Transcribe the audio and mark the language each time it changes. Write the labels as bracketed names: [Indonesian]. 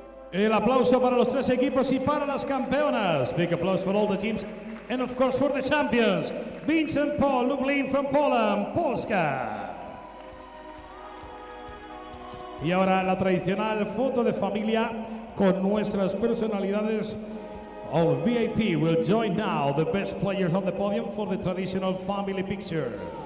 [Spanish] El aplauso para los tres equipos y para las campeonas. [English] Big applause for all the teams and of course for the champions. Vincent Paul Lublin from Poland, Polska. [Spanish] Y ahora la tradicional foto de familia con nuestras personalidades [English] Our VIP will join now the best players on the podium for the traditional family picture.